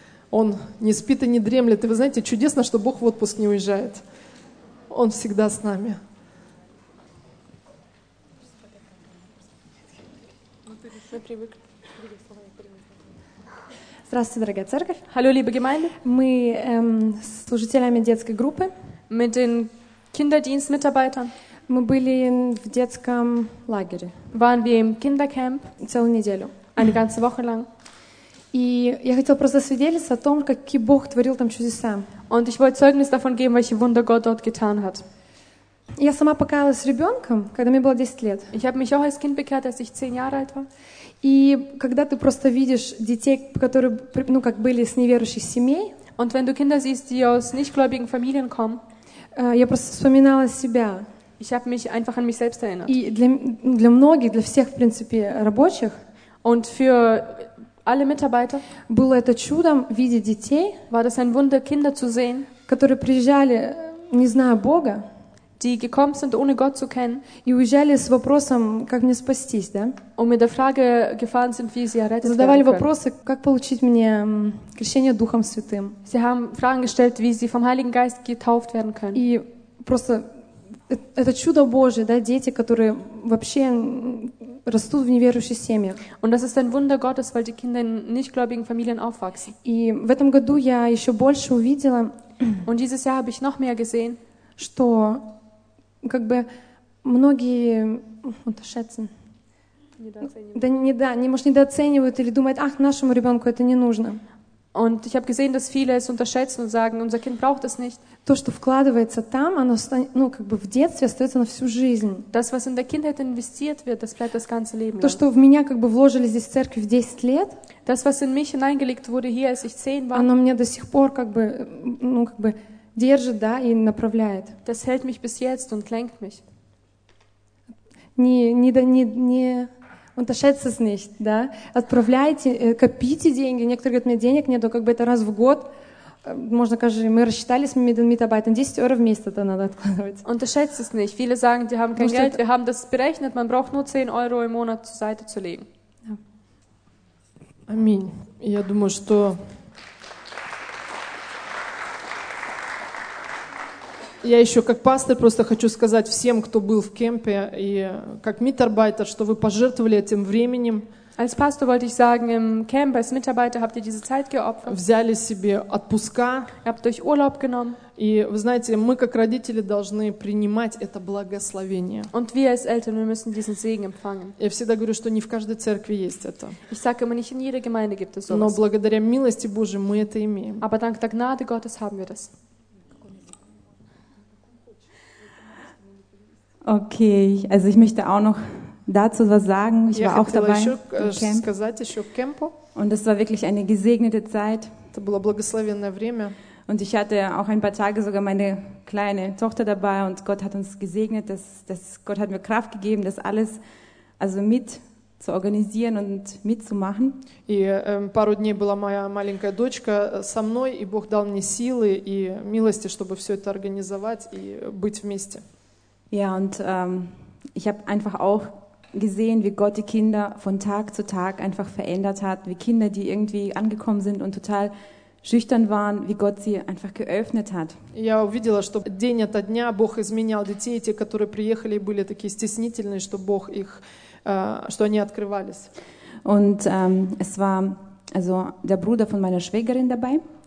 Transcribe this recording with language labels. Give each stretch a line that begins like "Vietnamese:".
Russian: Он не спит и не дремлет. И вы знаете, чудесно, что Бог в отпуск не уезжает. Он всегда с нами. Здравствуйте, дорогая церковь.
German: Hallo, liebe Gemeinde.
Russian: Мы служителями детской группы.
German: Mit den Kinderdienstmitarbeitern.
Russian: Мы были в детском лагере.
German: Waren wir im Kindercamp.
Russian: Целую неделю.
German: Eine ganze Woche lang.
Russian: И я хотела просто свидетельствовать о том, какие Бог творил там чудеса.
German: Und ich wollte Zeugnis davon geben, welche Wunder Gott dort getan hat.
Russian: Я сама покаялась с ребенком, когда мне было 10 лет.
German: Ich habe mich auch als Kind bekehrt, als ich 10 Jahre alt war.
Russian: И когда ты просто видишь детей, которые, ну, как были с неверующих семей.
German: Und wenn du Kinder siehst, die aus nichtgläubigen Familien kommen.
Russian: Я просто вспоминала себя.
German: Ich habe mich einfach an mich selbst erinnert.
Russian: И для многих, для всех, в принципе, рабочих,
German: und für alle Mitarbeiter,
Russian: было это чудом видеть детей,
German: war das ein Wunder, Kinder zu sehen,
Russian: которые приезжали, не зная Бога,
German: die gekommen sind, ohne Gott zu kennen,
Russian: и уезжали с вопросом, как мне спастись, да?
German: Und mit der Frage gefahren sind, wie sie errettet werden können.
Russian: Задавали вопросы, как получить мне крещение Духом Святым.
German: Sie haben Fragen gestellt, wie sie vom Heiligen Geist getauft werden können.
Russian: И просто это чудо Божие, да, дети, которые вообще растут в неверующей семье.
German: Und das ist ein Wunder Gottes, weil die Kinder in nichtgläubigen Familien aufwachsen.
Russian: И в этом году я еще больше увидела.
German: Und dieses Jahr habe ich noch mehr gesehen.
Russian: Что, как бы, многие
German: unterschätzen,
Russian: недооценивают или думают, ах, нашему ребенку это не нужно.
German: Und ich habe gesehen, dass viele es unterschätzen und sagen, unser Kind braucht es nicht.
Russian: То, что вкладывается там, оно, ну, как бы в детстве остается на всю жизнь.
German: Das, was in der Kindheit investiert wird, das bleibt das ganze Leben.
Russian: То, что в меня как бы вложили здесь в церкви в 10 лет,
German: das, was in mich hineingelegt wurde hier, als ich 10 war,
Russian: оно мне до сих пор как бы, ну, как бы держит, да, и направляет.
German: Das hält mich bis jetzt und lenkt mich. Не unterschätzt es nicht, да?
Russian: Отправляйте, копите деньги. Некоторые говорят, мне денег нету, как бы это раз в год. Можно, скажи, мы рассчитались с моими работниками, 10 евро в месяц это надо откладывать.
German: Unterschätzt es nicht. Viele sagen, die haben kein Geld. Wir haben das berechnet. Man braucht nur 10 Euro im Monat zur Seite zu legen.
Russian: Аминь. Я думаю, что Я еще как пастор просто хочу сказать всем, кто был в кемпе, и как митарбайтер, что вы пожертвовали этим временем.
German: Als Pastor wollte ich sagen, im Camp als Mitarbeiter habt ihr diese Zeit geopfert.
Russian: Взяли себе отпуска.
German: Ihr habt euch Urlaub genommen.
Russian: И вы знаете, мы как родители должны принимать это благословение.
German: Und wir als Eltern, wir müssen diesen Segen empfangen.
Russian: Я всегда говорю, что не в каждой церкви есть это.
German: Ich sage immer, nicht in jeder Gemeinde gibt es sowas.
Russian: Но благодаря милости Божией мы это имеем.
German: Aber dank der Gnade Gottes haben wir das. Okay, also ich möchte auch noch dazu was sagen. Ich war auch dabei im Camp. Und es war wirklich eine gesegnete Zeit.
Russian: Это было благословенное время.
German: Und ich hatte auch ein paar Tage sogar meine kleine Tochter dabei und Gott hat uns gesegnet, dass Gott hat mir Kraft gegeben, das alles also mit zu organisieren und mitzumachen.
Russian: И пару дней была моя маленькая дочка со мной, и Бог дал мне силы и милости, чтобы все это организовать и быть вместе.
German: Ja, und ich habe einfach auch gesehen, wie Gott die Kinder von Tag zu Tag einfach verändert hat, wie Kinder, die irgendwie angekommen sind und total schüchtern waren, wie Gott sie einfach geöffnet hat.
Russian: Я увидела, что день ото дня Бог изменял детей, те, которые приехали, были такие стеснительные, что Бог их, что они открывались.
German: Und es war also der Bruder von meiner Schwägerin dabei.